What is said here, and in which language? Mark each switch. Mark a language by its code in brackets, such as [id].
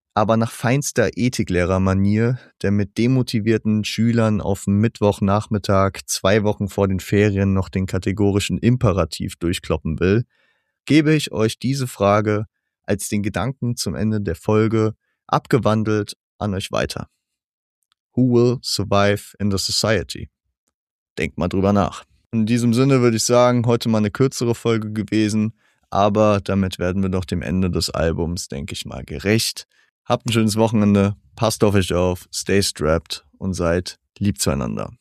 [de] Aber nach feinster Ethiklehrermanier, der mit demotivierten Schülern auf Mittwochnachmittag 2 Wochen vor den Ferien noch den kategorischen Imperativ durchkloppen will, gebe ich euch diese Frage als den Gedanken zum Ende der Folge abgewandelt an euch weiter. [en] Who will survive in the society? [de] Denkt mal drüber nach. In diesem Sinne würde ich sagen, heute mal eine kürzere Folge gewesen, aber damit werden wir doch dem Ende des Albums, denke ich mal, gerecht. Habt ein schönes Wochenende, passt auf euch auf, [en] stay strapped [de] und seid lieb zueinander.